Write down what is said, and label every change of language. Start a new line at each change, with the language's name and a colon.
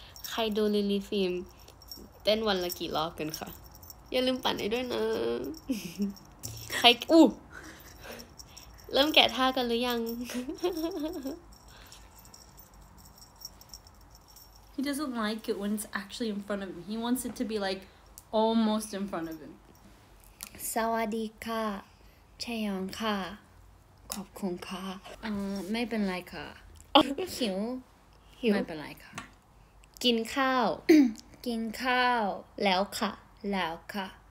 Thai: ใครดูลิลี่ฟิล์มเต้นวันละกี่รอบกันคะอย่าลืมปั่นให้ด้วยนะใครอู้เริ่มแกะท่ากันหรือยัง
English: He doesn't like it when it's actually in front of him. He wants it to be like almost in front of him.
Thai: สวัสดีค่ะใช่ยังค่ะขอบคุณค่ะไม่เป็นไรค่ะหิว หิว ไม่เป็นไรค่ะกินข้าวกินข้าวแล้วค่ะแล้วค่ะ